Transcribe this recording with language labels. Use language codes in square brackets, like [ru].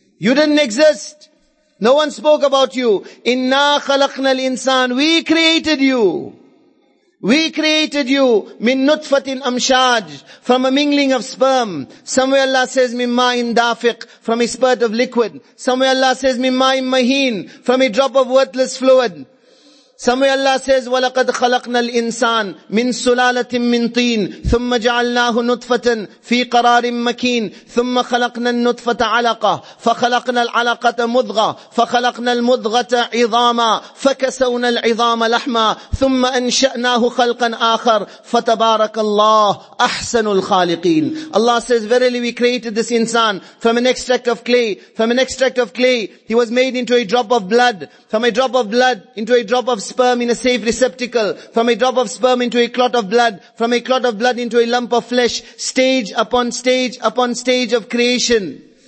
[en] You didn't exist. No one spoke about you. [ar] Inna khalaqna al-insan. [en] We created you. We created you. [ar] Min nutfatin amshaj. [en] From a mingling of sperm. Somewhere Allah says, [ar] mimma in dafiq. [en] From a spurt of liquid. Somewhere Allah says, [ar] mimma in maheen. [en] From a drop of worthless fluid. Somewhere Allah says, [ar] وَلَقَدْ خَلَقْنَا الْإِنسَانَ مِنْ سُلَالَةٍ مِنْ طِينٍ ثُمَّ جَعَلْنَاهُ نُطْفَةً فِي قَرَارٍ مَكِينٍ ثُمَّ خَلَقْنَا النُّطْفَةَ عَلَقَةً فَخَلَقْنَا الْعَلَقَةَ مُضْغَةً فَخَلَقْنَا الْمُضْغَةَ عِظَامًا فَكَسَوْنَا الْعِظَامَ لَحْمًا ثُمَّ أَنْشَأْنَاهُ خَلْقًا آخَرَ فَتَبَارَكَ اللَّهُ أَحْسَنُ الْخَالِقِينَ. [en] Allah says, verily we created this insan from an extract of clay. From an extract of clay, he was made into a drop of blood. From a drop of blood into a drop of sperm in a safe receptacle. From a drop of sperm into a clot of blood. From a clot of blood into a lump of flesh. Stage upon stage upon stage of creation.